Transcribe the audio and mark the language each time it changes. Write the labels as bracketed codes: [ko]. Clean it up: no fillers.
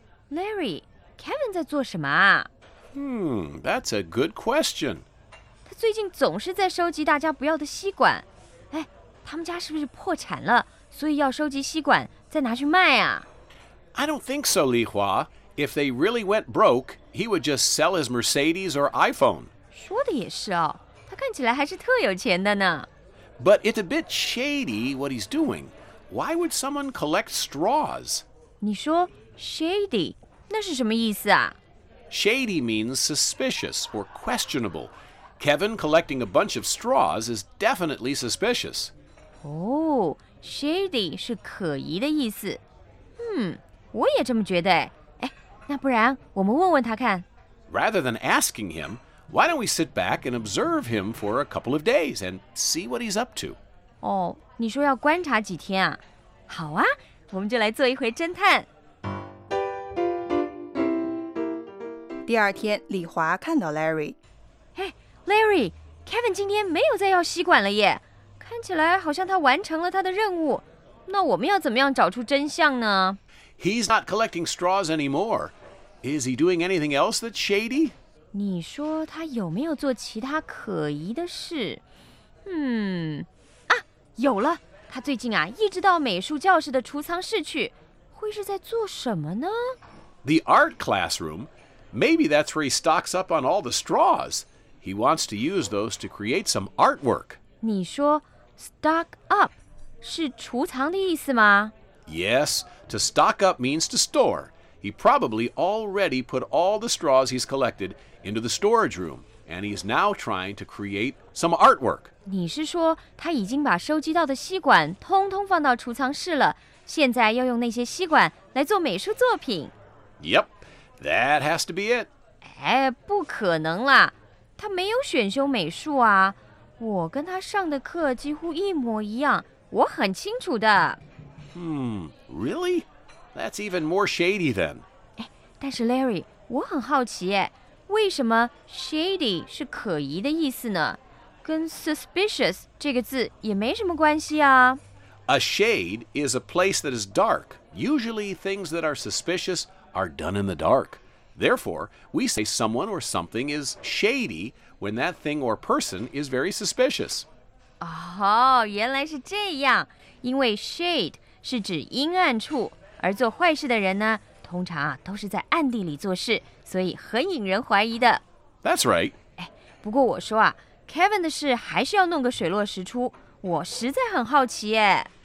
[zh] Larry， Kevin 在做什么啊？ [en] That's a good question。 [zh] 他最近总是在收集大家不要的吸管。哎，他们家是不是破产了，所以要收集吸管再拿去卖啊？ [en] I don't think so, 李华。 If they really went broke, he would just sell his Mercedes or iPhone. [zh] 说的也是哦，他看起来还是特有钱的呢。 [en] But it's a bit shady what he's doing. Why would someone collect straws? [zh] 你说 shady, 那是什么意思啊？ [en] Shady means suspicious or questionable. Kevin collecting a bunch of straws is definitely suspicious. [zh] Oh, shady 是可疑的意思。我也这么觉得。那不然我们问问他看。 [en] Rather than asking him, why don't we sit back and observe him for a couple of days and see what he's up to? [zh] 哦，你说要观察几天啊？好啊，我们就来做一回侦探。第二天，李华看到 Larry。哎 ，Larry， Kevin 今天没有再要吸管了耶，看起来好像他完成了他的任务。那我们要怎么样找出真相呢？ [en] He's not collecting straws anymore. Is he doing anything else that's shady? [zh] 你说他有没有做其他可疑的事？有了。他最近啊，一直到美术教室的储藏室去，会是在做什么呢？ [en] The art classroom. Maybe that's where he stocks up on all the straws. He wants to use those to create some artwork. [zh] 你说 stock up 是储藏的意思吗？ [en] Yes, to stock up means to store. He probably already put all the straws he's collected into the storage room, and he's now trying to create some artwork. [zh] 你是说他已经把收集到的吸管通通放到储藏室了，现在要用那些吸管来做美术作品？ [en] Yep, that has to be it. [zh] 哎，不可能啦，他没有选修美术啊，我跟他上的课几乎一模一样，我很清楚的。 [en] Really? That's even more shady then. [zh] 但是 Larry, 我很好奇耶，为什么 shady 是可疑的意思呢？跟 suspicious 这个字也没什么关系啊。 [en] A shade is a place that is dark. Usually things that are suspicious are done in the dark. Therefore, we say someone or something is shady when that thing or person is very suspicious. [zh] 哦，原来是这样。因为 shade 是指阴暗处，而做坏事的人呢，通常啊，都是在暗地里做事，所以很引人怀疑的。 [en] That's right. [zh] 哎，不过我说啊，Kevin 的事还是要弄个水落石出，我实在很好奇耶。